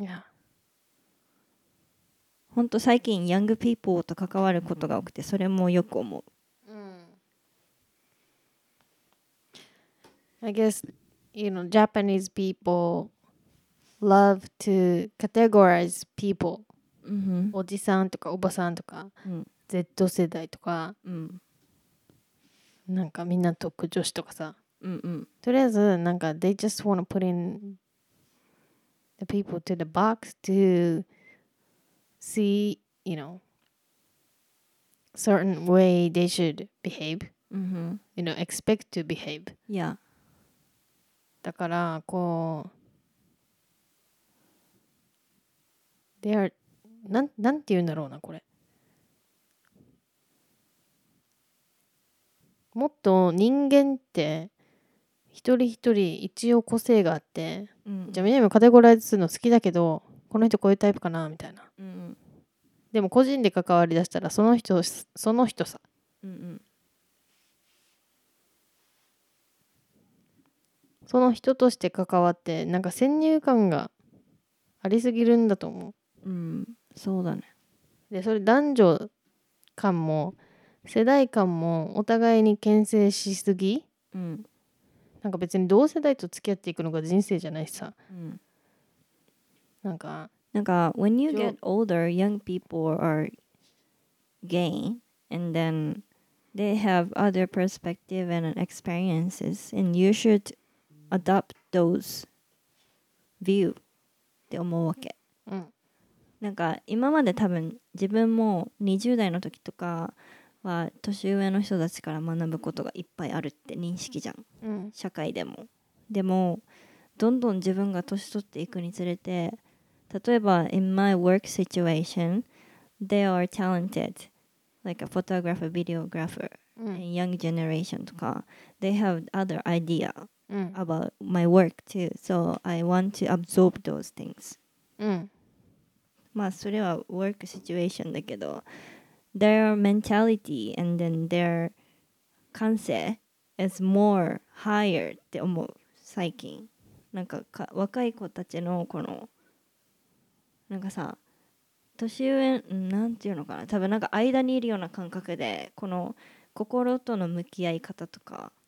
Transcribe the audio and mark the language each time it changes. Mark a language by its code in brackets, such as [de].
[ja] いや、本当最近 young people と関わることが多くてそれもよく思う。 [en] I guess you know Japanese people love to categorize people. Mm-hmm. [ja] おじさんとかおばさんとか、うん、 Z 世代とか、うん、なんかみんな特女子とかさ、うんうん、とりあえずなんか [en] they just wanna put in the people to the box to see you know certain way they should behave、 mm-hmm. you know expect to behave yeah [ja] だからこう [en] they are [ja] なんて言うんだろうなこれもっと人間って一人一人一応個性があって、 mm-hmm. じゃあみんなもカテゴライズするの好きだけどこの人こういうタイプかなみたいな、 mm-hmm. でも個人で関わりだしたらその人その人さ、 mm-hmm. その人として関わってなんか先入観がありすぎるんだと思う、 mm-hmm. そうだねでそれ男女間も世代間もお互いに牽制しすぎ、うん、なんか別に同世代と付き合っていくのが人生じゃないしさ、うん、なんか [en] when you get older young people are gay and then they have other perspective and experiences and you should adopt those view [ja] って思うわけ、うん、なんか今まで多分自分も20代の時とかは年上の人たちから学ぶことがいっぱいあるって認識じゃん、うん、社会でもでもどんどん自分が年取っていくにつれて例えば [en] in my work situation they are talented like a photographer, videographer、 [ja] うん、 [en] and young generation [ja] とか [en] they have other idea、 [ja] うん、 [en] about my work too so I want to absorb those things、 [ja] うん、まあそれは work situation だけど [en] Their mentality and then their [ja] 感性 [en] is more higher [ja] って思う最近なん か若い子たちのこのなんかさ年上なんていうのかな多分なんか間にいるような感覚でこの心との向き合い方とか、